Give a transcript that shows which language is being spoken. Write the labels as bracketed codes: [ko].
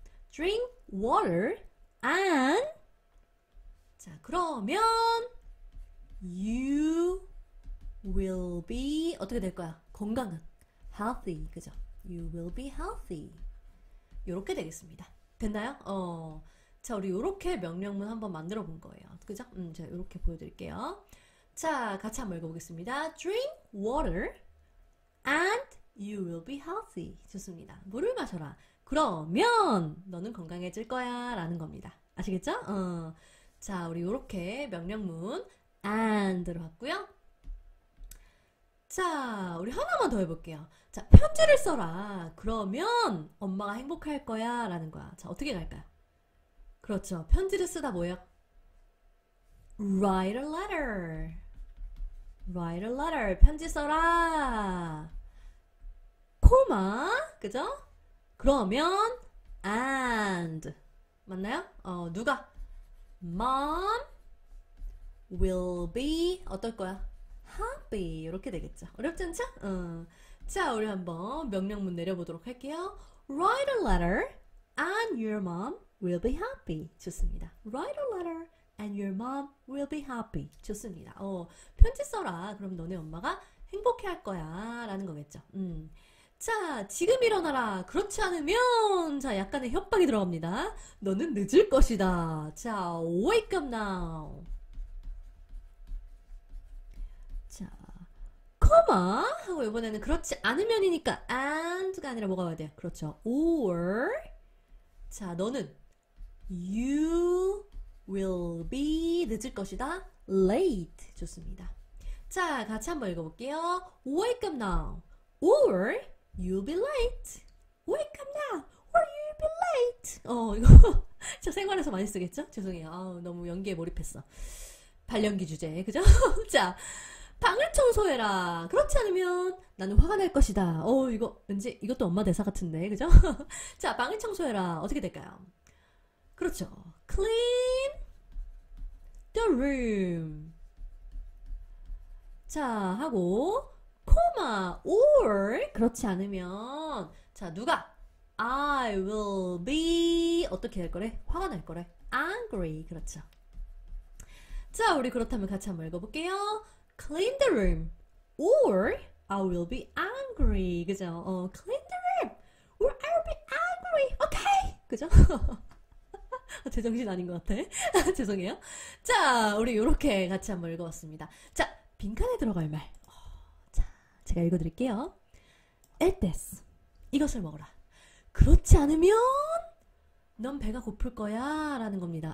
[en] Drink water and [ko] 자, 그러면 [en] you will be [ko] 어떻게 될 거야? 건강은 [en] healthy [ko] 그죠? [en] You will be healthy [ko] 요렇게 되겠습니다. 됐나요? 자, 우리 요렇게 명령문 한번 만들어 본 거예요. 그죠? 제가 요렇게 보여드릴게요. 자, 같이 한번 읽어보겠습니다. [en] Drink water and you will be healthy [ko] 좋습니다. 물을 마셔라. 그러면 너는 건강해질 거야 라는 겁니다. 아시겠죠? 자, 우리 이렇게 명령문 and로 왔고요. 자, 우리 하나만 더 해볼게요. 자, 편지를 써라. 그러면 엄마가 행복할 거야 라는 거야. 자, 어떻게 갈까요? 그렇죠. 편지를 쓰다 뭐예요? [en] Write a letter. Write a letter. [ko] 편지 써라. 코마. 그죠? 그러면 and 맞나요? 누가? [en] Mom will be [ko] 어떨 거야? Happy 이렇게 되겠죠? 어렵지 않죠? 자, 우리 한번 명령문 내려보도록 할게요. [en] Write a letter and your mom will be happy. [ko] 좋습니다. [en] Write a letter and your mom will be happy. [ko] 좋습니다. 편지 써라. 그럼 너네 엄마가 행복해할 거야라는 거겠죠? 자, 지금 일어나라. 그렇지 않으면, 자, 약간의 협박이 들어갑니다. 너는 늦을 것이다. 자, [en] wake up now. [ko] 자, comma. 하고, 이번에는 그렇지 않으면이니까, and가 아니라 뭐가 와야 돼요? 그렇죠. or. 자, 너는, [en] you will be [ko] 늦을 것이다. [en] late. [ko] 좋습니다. 자, 같이 한번 읽어볼게요. [en] wake up now. or. You'll be late. Wake up now, or you'll be late. [ko] 이거 저 생활에서 많이 쓰겠죠? 죄송해요. 너무 연기에 몰입했어. 발연기 주제, 그죠? 자, 방을 청소해라. 그렇지 않으면 나는 화가 날 것이다. 이거 왠지 이것도 엄마 대사 같은데, 그죠? 자, 방을 청소해라. 어떻게 될까요? 그렇죠. [en] Clean the room. [ko] 자, 하고. 코마, or, 그렇지 않으면, 자, 누가? [en] I will be, [ko] 어떻게 할 거래? 화가 날 거래. angry, 그렇죠. 자, 우리 그렇다면 같이 한번 읽어볼게요. [en] clean the room, or I will be angry, [ko] 그죠? [en] clean the room, or I will be angry, okay? [ko] 그죠? 제정신 아닌 것 같아. 죄송해요. 자, 우리 요렇게 같이 한번 읽어봤습니다. 자, 빈칸에 들어갈 말. 제가 읽어드릴게요. [en] Eat this. [ko] 이것을 먹어라. 그렇지 않으면 넌 배가 고플 거야 라는 겁니다.